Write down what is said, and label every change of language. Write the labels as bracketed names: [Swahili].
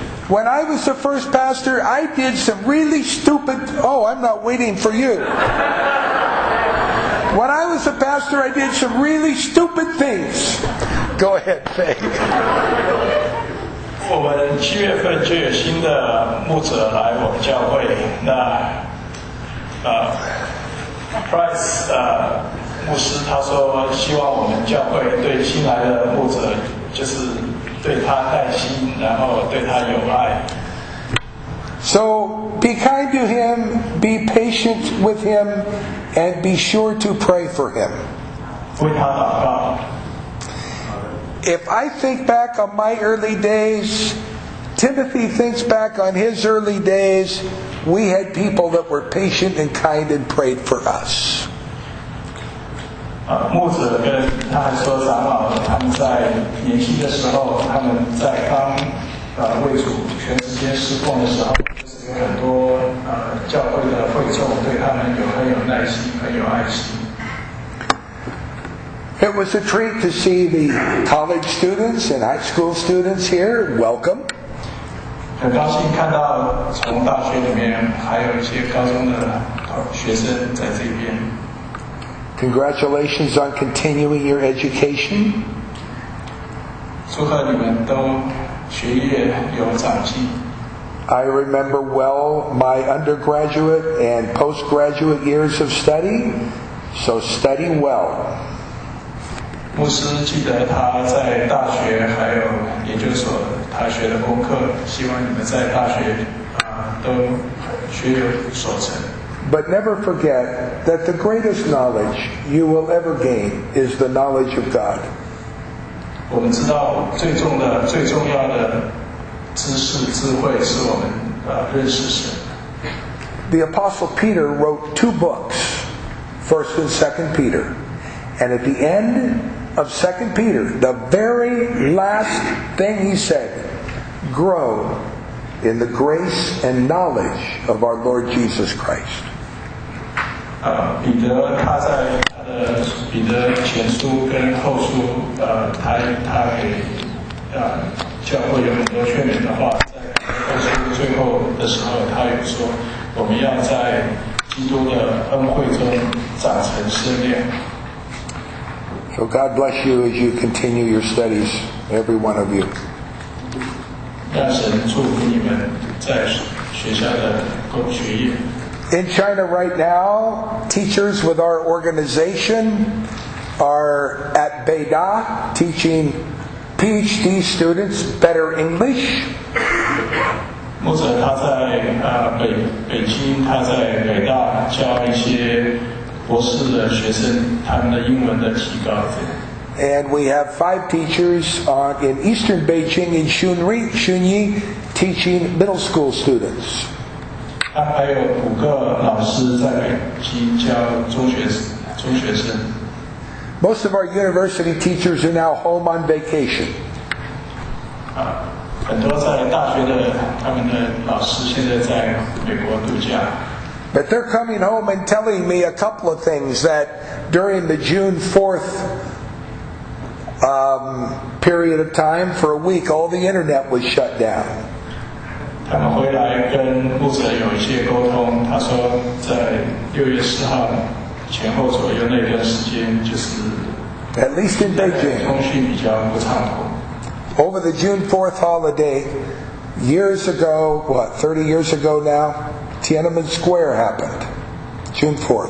[English] When I was the first pastor, I did some really stupid... When I was a pastor, I did some really stupid things. Go ahead, Faye. [Chinese] 我们七月份就有新的牧者来我们教会。那Price, 牧师他说希望我们教会对新来的牧者就是对他耐心，然后对他有爱。 [English] So be kind to him, be patient with him, and be sure to pray for him. [Chinese] 为他祷告。 [English] If I think back on my early days, Timothy thinks back on his early days, we had people that were patient and kind and prayed for us. [Chinese] 牧者跟他还说长老，他们在年轻的时候，他们在刚为主全时间侍奉的时候，就是有很多教会的会众对他们有很有耐心，很有爱心。 [English] It was a treat to see the college students and high school students here. Welcome. [Chinese] 很高兴看到从大学里面还有一些高中的学生在这边。 [English] Congratulations on continuing your education. [Chinese] 祝贺你们都学业有长进。 [English] I remember well my undergraduate and postgraduate years of study, so study well. [Chinese] 牧师记得他在大学还有研究所他学的功课，希望你们在大学都学有所成。 [English] But never forget that the greatest knowledge you will ever gain is the knowledge of God. [Chinese] 我们知道最重要的知识智慧是我们认识神。 [English] The Apostle Peter wrote two books, 1st and 2nd Peter. And at the end of 2nd Peter, the very last thing he said, grow in the grace and knowledge of our Lord Jesus Christ. [Chinese] 彼得他在他的彼得前书跟后书他给教会有很多劝勉的话，在后书最后的时候他有说我们要在基督的恩惠中长成圣殿。 [English] So God bless you as you continue your studies, every one of you. [Chinese] 让神祝福你们在学校的学业。 [English] In China right now, teachers with our organization are at Beida teaching PhD students better English. [Chinese] 牧者他在北京，他在北大教一些博士的学生，他们的英文的提高。 [English] And we have 5 teachers in Eastern Beijing in Shunyi teaching middle school students. [Chinese] 还有五个老师在北京教中学生。 [English] Most of our university teachers are now home on vacation. [Chinese] 很多在大学的他们的老师现在在美国度假。 [English] But they're coming home and telling me a couple of things that during the June 4th period of time, for a week, all the internet was shut down. [Chinese] 他们回来跟牧者有一些沟通，他说在6月4号前后左右那段时间就是 [English] At least in Beijing. [Chinese] 通讯比较不畅通。 [English] Over the June 4th holiday, years ago, 30 years ago now, Tiananmen Square happened. June 4th.